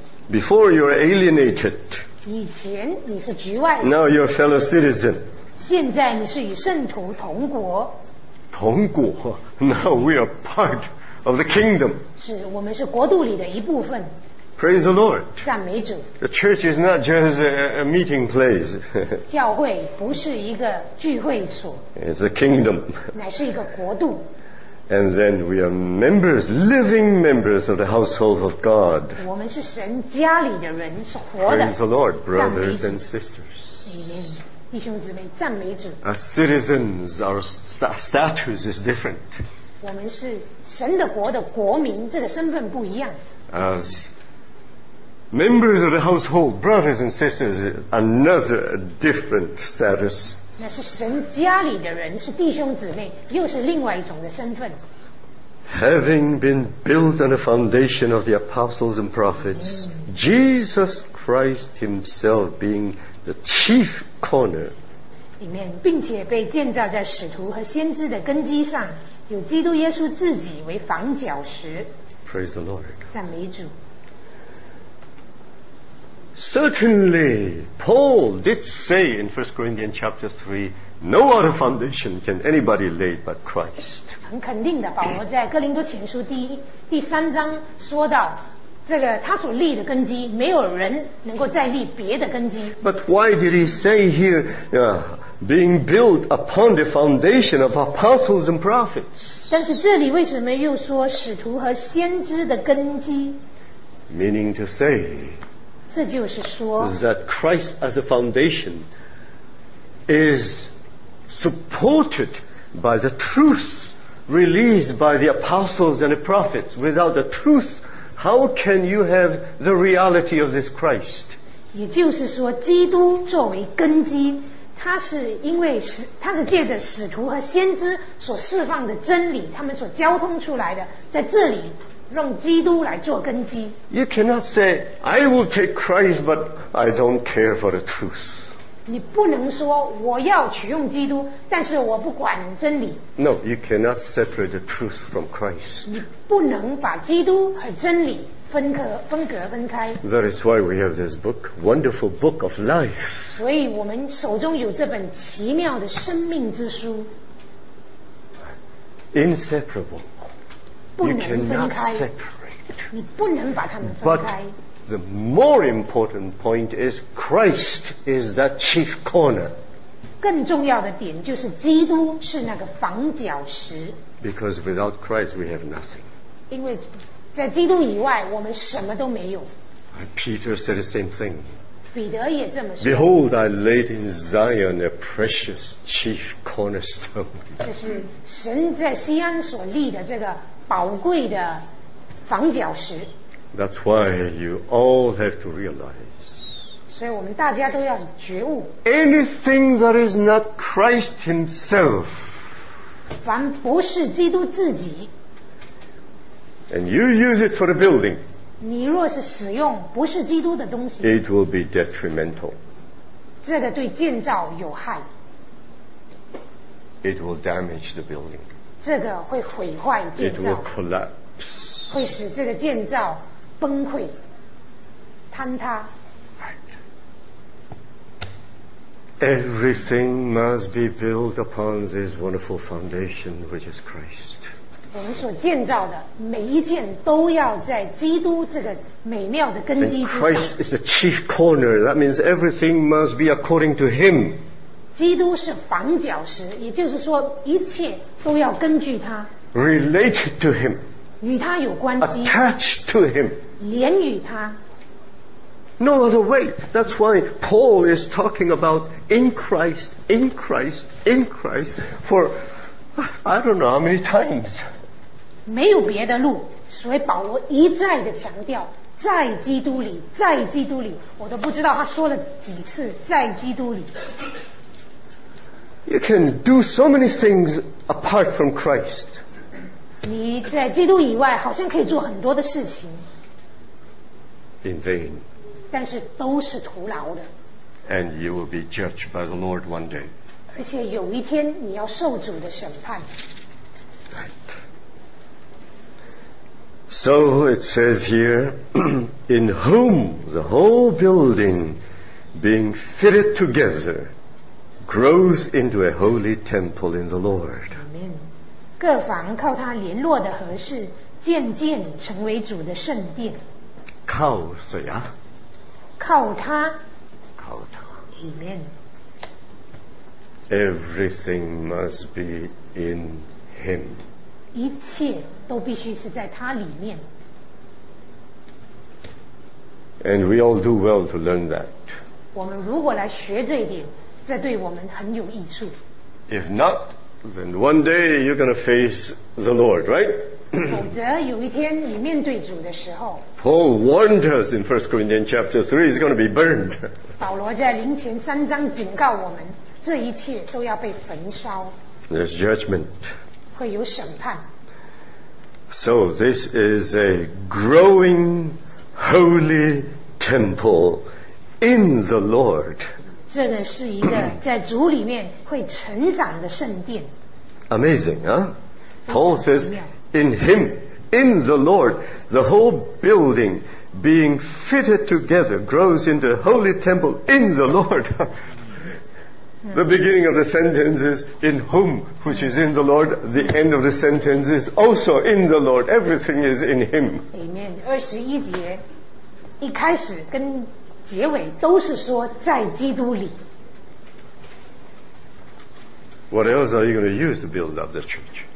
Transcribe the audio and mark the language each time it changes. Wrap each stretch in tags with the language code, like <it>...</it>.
<en>Before you were alienated,</en> <zh>以前你是局外人,</zh> <en>now you're a fellow citizen.</en> <zh>现在你是与圣徒同国, 同国,</zh> <en>now we are part of the kingdom.</en> <zh>是, 我们是国度里的一部分。</zh> <en>Praise the Lord.</en> <zh>赞美主。</zh> <en>The church is not just a meeting place.</en> <zh>教会不是一个聚会所。</zh> <en>It's a kingdom.</en> <zh>乃是一个国度。</zh> <en>And then we are members, living members of the household of God.</en> <zh>我们是神家里的人，是活的。</zh> <en>Praise the Lord, brothers and sisters.</en> <zh>弟兄姊妹，赞美主。</zh> <en>As citizens, our status is different.</en> <zh>我们是神的国的国民，这个身份不一样。</zh> <en>As members of the household, brothers and sisters, another different status.</en> <zh>那是神家里的人，是弟兄姊妹，又是另外一种的身份。</zh> <en>Having been built on the foundation of the apostles and prophets, Jesus Christ himself being the chief corner.</en> <zh>里面并且被建造在使徒和先知的根基上，有基督耶稣自己为房角石。</zh> <en>Praise the Lord.</en> <zh>赞美主。</zh> <en>Certainly, Paul did say in 1 Corinthians chapter 3, no other foundation can anybody lay but Christ.</en> <zh>很肯定的，保罗在哥林多前书第三章说到，这个他所立的根基，没有人能够再立别的根基。</zh> <en>But why did he say here, being built upon the foundation of apostles and prophets?</en> <zh>但是这里为什么又说使徒和先知的根基？</zh> <en>Meaning to say,</en> <zh>这就是说,</zh> <en>that Christ as the foundation is supported by the truth released by the apostles and the prophets. Without the truth, how can you have the reality of this Christ?</en> <zh>也就是说，基督作为根基，它是因为它是借着使徒和先知所释放的真理，他们所交通出来的，在这里。用基督来做根基。</zh> <en>You cannot say, I will take Christ, but I don't care for the truth.</en> <zh>你不能说我要取用基督，但是我不管真理。</zh> <en>No, you cannot separate the truth from Christ.</en> <zh>你不能把基督和真理分开。</zh> <en>That is why we have this book, wonderful book of life.</en> <zh>所以我们手中有这本奇妙的生命之书。</zh> <en>Inseparable. You cannot separate.</en> <zh>你不能把它们分开。</zh> <en>But the more important point is Christ is the chief corner.</en> <zh>更重要的点就是基督是那个房角石。</zh> <en>Because without Christ we have nothing.</en> <zh>因为在基督以外我们什么都没有。</zh> <en>Peter said the same thing.</en> <zh>彼得也这么说。</zh> <en>Behold, I laid in Zion a precious chief cornerstone.</en> <zh>这是神在锡安所立的这个。宝贵的房角石。</zh> <en>That's why you all have to realize.</en> <zh>所以我们大家都要觉悟。</zh> <en>Anything that is not Christ Himself.</en> <zh>凡不是基督自己。</zh> <en>And you use it for the building.</en> <zh>你若是使用不是基督的东西。</zh> <en>It will be detrimental.</en> <zh>这个对建造有害。</zh> <en>It will damage the building.</en> <zh>这个会毁坏建造</zh> <en>It will collapse.</en> <zh>会使这个建造崩溃坍塌</zh> <en>Everything must be built upon this wonderful foundation which is Christ.</en> <zh>我们所建造的每一件都要在基督这个美妙的根基之上</zh> <en>Christ is the chief corner. That means everything must be according to him.</en> <zh>基督是房角石也就是说一切都要根据他</zh> <en>related to him</en> <zh>与他有关系</zh> <en>attached to him</en> <zh>连与他</zh> <en>no other way that's why Paul is talking about in Christ in Christ in Christ for I don't know how many times</en> <zh>没有别的路所以保罗一再的强调在基督里在基督里我都不知道他说了几次在基督里</zh> <en>You can do so many things apart from Christ.</en> <zh>你在基督以外好像可以做很多的事情。</zh> <en>In vain.</en> <zh>但是都是徒劳的。</zh> <en>and you will be judged by the Lord one day.</en> <zh>而且有一天你要受主的审判。</zh> <en>So it says here, in whom the whole building being fitted together grows into a holy temple in the Lord. Amen.</en> <zh>各房靠他联络的合适，渐渐成为主的圣殿。靠谁啊？靠他。靠他。</zh> <en>Amen. Everything must be in him.</en> <zh>一切都必须是在它里面。</zh> <en>And we all do well to learn that.</en> <zh>我们如果来学这一点，这对我们很有益处。</zh> <en>If not, then one day you're going to face the Lord, right?</en> <zh>否则有一天你面对主的时候。</zh> <en>Paul warned us in 1 Corinthians chapter 3, he's going to be burned.</en> <zh>保罗在林前三章警告我们，这一切都要被焚烧。</zh> <en>There's judgment.</en> <zh>会有审判。</zh> <en>So this is a growing holy temple in the Lord.</en> <zh>这个是一个在主里面会成长的圣殿。</zh> <en>Amazing, huh? Paul says, in him, in the Lord, the whole building being fitted together grows into a holy temple in the Lord. The beginning of the sentence is in whom, which is in the Lord. The end of the sentence is also in the Lord. Everything is in him. Amen.</en> <zh>二十一节，一开始跟结尾都是说在基督里。</zh> <en>What else are you going to use to build up the church?</en>